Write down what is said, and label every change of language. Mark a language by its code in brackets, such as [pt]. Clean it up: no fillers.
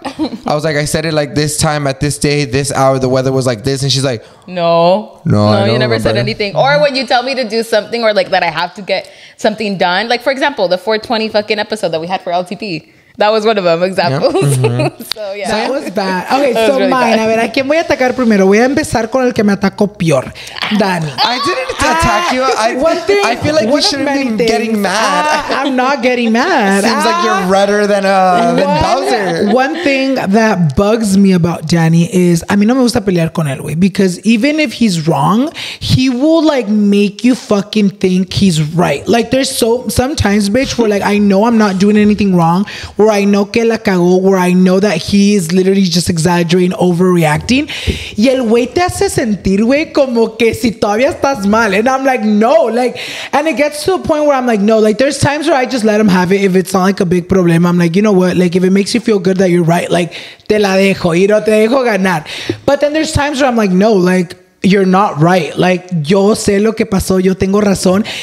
[en] I was like, I said it like this time at this day, this hour, the weather was like this. And she's like, No, you never said anything. Or when you tell me to do something or like that I have to get something done. Like, for example, the 420 fucking episode that we had for LTP. That was one of them examples. Yep. So, yeah. That was bad. Okay, was so really mine. Bad. [es] A ver, ¿a quién voy a atacar primero? Voy a empezar con el que me atacó peor. Dani. [en] I didn't attack you. I feel like we shouldn't be getting mad. I'm not getting mad. Seems like you're redder than Bowser. One thing that bugs me about Danny is, [es] a mí no me gusta pelear con él, güey. [en] Because even if he's wrong, he will, like, make you fucking think he's right. Like, there's so... Sometimes, bitch, where, like, I know I'm not doing anything wrong... Where I know [es] que la cagó, [en] where I know that he is literally just exaggerating, overreacting. [es] Y el güey te hace sentir, güey, como que si todavía estás mal. [en] And I'm like, no. Like, and it gets to a point where I'm like, no. Like, there's times where I just let him have it if it's not like a big problem. I'm like, you know what? Like, if it makes you feel good that you're right, like, [es] te la dejo. [en] You know, [es] te dejo ganar. [en] But then there's times where I'm like, no, like, you're not right. Like, [es] yo sé lo que pasó. Yo tengo razón.